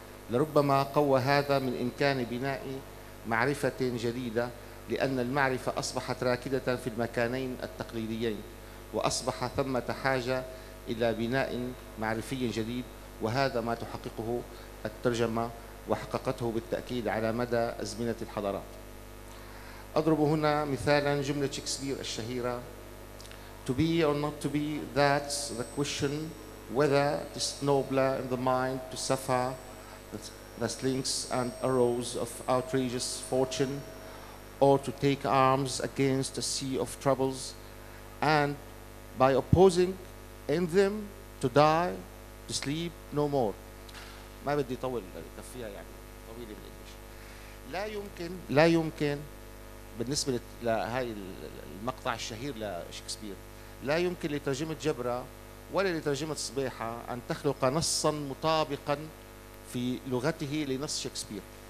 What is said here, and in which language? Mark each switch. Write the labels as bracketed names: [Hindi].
[Arabic] لربما قوى هذا من إمكان بناء معرفة جديدة، لأن المعرفة أصبحت راكدة في المكانين التقليديين، وأصبح ثمة حاجة إلى بناء معرفي جديد، وهذا ما تحققه الترجمة وحققته بالتأكيد على مدى أزمنة الحضارات. أضرب هنا مثالا جملة شكسبير الشهيرة: [English] To be or not to be, that's the question. Whether it is nobler in the mind to suffer the slings and arrows of outrageous fortune, or to take arms against a sea of troubles, and by opposing in them to die, to sleep no more. [Arabic] ما بدي طول كفيها، يعني طويل بالإنجليش. لا يمكن بالنسبة لهاي المقطع الشهير لشكسبير، لا يمكن لترجمة جبرة ولا لترجمة صبيحة أن تخلق نصا مطابقا في لغته لنص شكسبير.